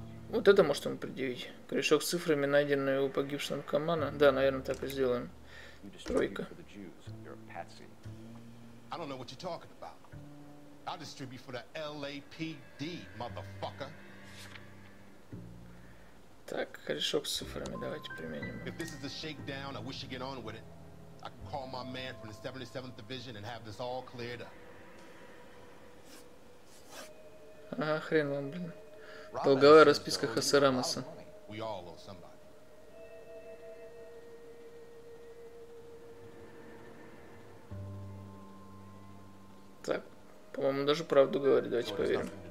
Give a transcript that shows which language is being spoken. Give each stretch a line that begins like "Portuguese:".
Russian: Вот это может ему предъявить. Корешок с цифрами, найденный у погибшего Камана. Да, наверное, так и сделаем. Тройка.
English: I don't know what you're talking about. I'll distribute for the LAPD, motherfucker.
Russian: Так, корешок с цифрами, давайте применим.
English: If this is a shakedown, I wish you get on with it. I can call my man from the 77th Division and have this all cleared up.
Russian: Ага, хрен вам, блин. Долговая расписка Хосе Рамоса.
English: We all owe somebody.
Russian: Так, по-моему, даже правду говорит, давайте поверим.